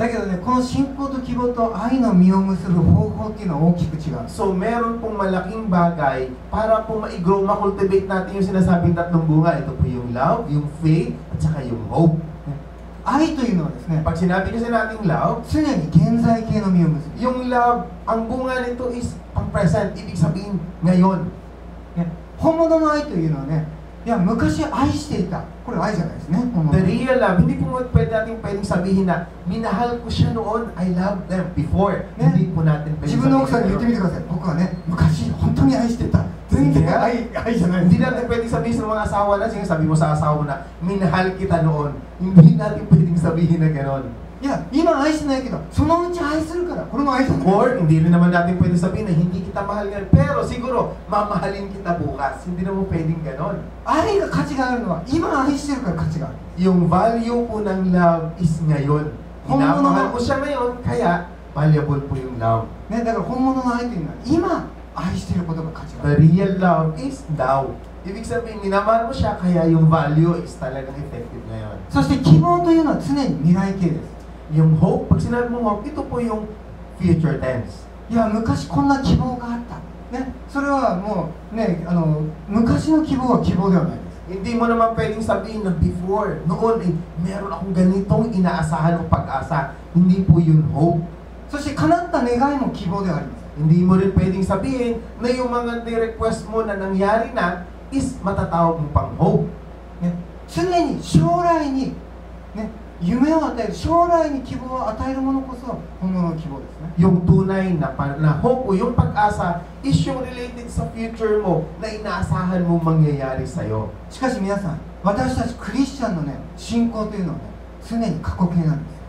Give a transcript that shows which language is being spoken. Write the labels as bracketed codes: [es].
[ja] だけどね、この信仰と希望と愛の実を結ぶ方法っていうのは大きく違う。 [tl] So, meron pong malaking bagay para po ma-grow, ma-cultivate natin yung sinasabing tatlong bunga. Ito po yung love, yung faith, at saka yung hope. [ja] 愛というのはですね、 [tl] pag sinabi kasi nating love, [ja] 常に現在形の実を結ぶ。 [tl] Yung love, ang bunga nito is present, ibig sabihin ngayon. [ja] 本物の愛というのはね、いや、昔愛していた。これ愛じゃないですね。 [tl] The real love, hindi po mo pwede natin pwedeng sabihin na, minahal ko siya noon, [en] I loved them before. [tl] Ne? Hindi po natin pwedeng [ja] sabihin. 自分の奥さんに言ってみてください。僕はね、昔本当に愛していた。愛じゃない。 [tl] Hindi natin pwedeng sabihin sa mga asawa na, sige sabi mo sa asawa mo na, minahal kita noon. Hindi natin pwedeng sabihin na gano'n. [ja] Yeah, 今愛してないけど、そのうち愛するから、これも愛してない。 [tl] Or, hindi rin naman natin pwedeng sabihin na hindi kita mahal ngayon. Pero siguro, mamahalin kita bukas. Hindi naman pwedeng gano'n. [ja] 愛が価値があるのは、今愛してるから価値がある。 [tl] Yung value po ng love is ngayon. [ja] 本物の。 [tl] Hinamahal ko siya ngayon, kaya valuable po yung love. [ja] Ne, だから本物の愛というのは、今愛してることが価値がある。 [en] The real love is now. [tl] Ibig sabihin, minamahal mo siya, kaya yung value is talaga effective ngayon. [ja] そして希望というのは常に未来形です。 [tl] Yung hope, pag sinabi mong hope, ito po yung future tense. [ja] いや、昔こんな希望があった。ね、それはもう、ね、あの、昔の希望は希望ではないです。 [tl] Hindi mo naman pwedeng sabihin na before, noon, eh, meron akong ganitong inaasahan o pag-asa. Hindi po yung hope. [ja] そして、叶った願いも希望ではあります。 [tl] Hindi mo rin pwedeng sabihin na yung mga request mo na nangyari na is matatawag mo pang hope. [ja] ね、常に将来に、ね、夢を与える、将来に希望を与えるものこそ本物の希望ですね。 [tl] Yung tunay na hope o yung pag-asa is yung related sa future mo na inaasahan mo mangyayari sa'yo. [ja] しかし皆さん、私たちクリスチャンのね、信仰というのはね、常に過去形なんです。